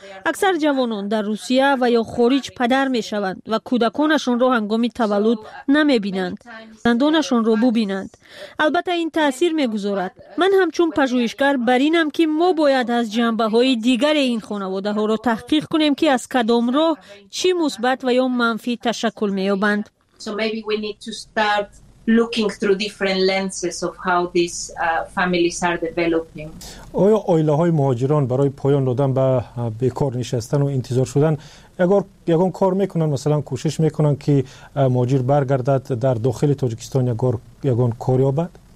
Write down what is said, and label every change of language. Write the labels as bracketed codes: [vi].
[fa] اکثر جوانان در روسیه و یا خارج پدر میشوند و کودکانشان را هنگام تولد نمیبینند، زندانشان را ببینند. البته این تاثیر میگذارد. من همچون پژوهشگر بر اینم که ما باید از جنبه های دیگر این خانواده ها را تحقیق کنیم که از کدام راه چی مثبت و یا منفی تشکل می یابند. [en] So maybe we need to start looking through different lenses of how these families are developing. [fa] آیا آیله های مهاجران برای پایان دادن به بیکار نشستن و انتظار شدن اگر یکان کار میکنن، مثلا کوشش میکنن که مهاجر برگردد در داخل تاجیکستان یکان کار یابد؟